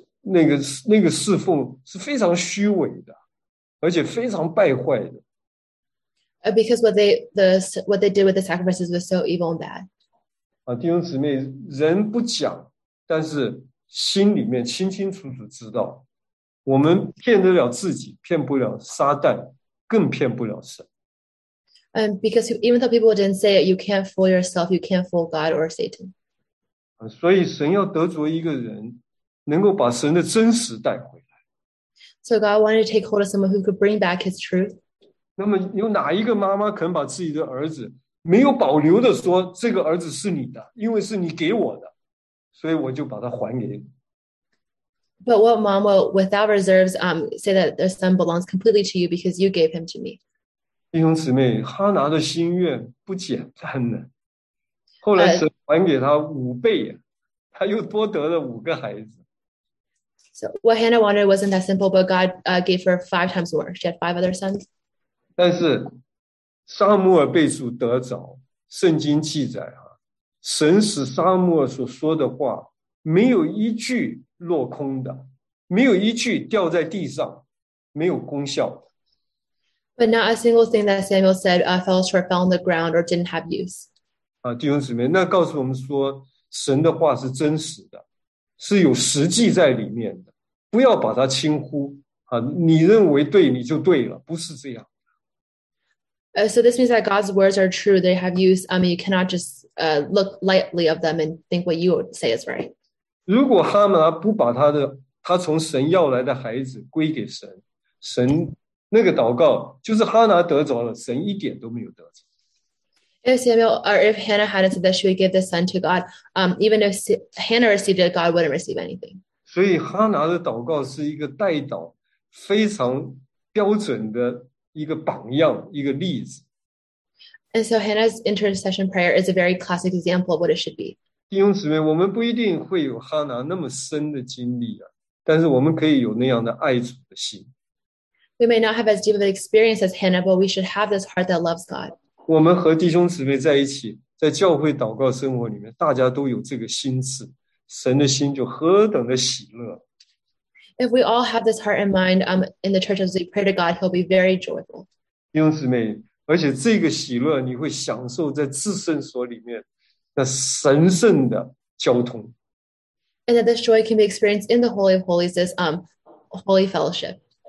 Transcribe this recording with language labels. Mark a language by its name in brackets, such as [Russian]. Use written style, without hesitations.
[Chinese] 那个侍奉是非常虚伪的，而且非常败坏的。 [English] Because what they did with the sacrifices was so evil and bad. [Chinese] 弟兄姊妹，人不讲，但是心里面清清楚楚知道，我们骗得了自己，骗不了撒旦，更骗不了神。 [English] And because even though people didn't say it, you can't fool yourself, you can't fool God or Satan. [Chinese] 所以神要得着一个人，能够把神的真实带回来。 [English] So God wanted to take hold of someone who could bring back his truth. [Chinese] 那么有哪一个妈妈肯把自己的儿子没有保留的说，这个儿子是你的，因为是你给我的，所以我就把它还给你。 [English] But what mom will, without reserves, say that their son belongs completely to you because you gave him to me? [Chinese] 弟兄姊妹，哈拿的心愿不简单呢。后来神还给他五倍，他又多得了五个孩子。 [English] So what Hannah wanted wasn't that simple, but God gave her five times more. She had five other sons. [Chinese] 但是撒母耳被主得着，圣经记载啊，神使撒母耳所说的话没有一句落空的，没有一句掉在地上，没有功效的。 [English] But not a single thing that Samuel said fell short, fell on the ground, or didn't have use. [Chinese] 啊，弟兄姊妹，那告诉我们说，神的话是真实的，是有实际在里面的，不要把它轻忽啊！你认为对，你就对了，不是这样。 [English] So this means that God's words are true; they have use. I mean, you cannot just look lightly of them and think what you say is right. [Chinese] 如果哈拿不把他从神要来的孩子归给神，神那个祷告就是哈拿得着了，神一点都没有得着。 [English] If Samuel or if Hannah hadn't said that she would give the son to God, even if Hannah received it, God wouldn't receive anything. [Chinese] 所以哈拿的祷告是一个代祷，非常标准的。一个榜样，一个例子。 [English] And so Hannah's intercession prayer is a very classic example of what it should be. [Chinese] 弟兄姊妹，我们不一定会有哈拿那么深的经历啊，但是我们可以有那样的爱主的心。 [English] We may not have as deep of an experience as Hannah, but we should have this heart that loves God. [Chinese] 我们和弟兄姊妹在一起，在教会祷告生活里面，大家都有这个心智，神的心就何等的喜乐。 [English] If we all have this heart and mind, in the church as we pray to God, He'll be very joyful. [Chinese] 弟兄姊妹，而且这个喜乐你会享受在至圣所里面那神圣的交通。 [English] And that this joy can be experienced in the Holy of Holies, this holy fellowship.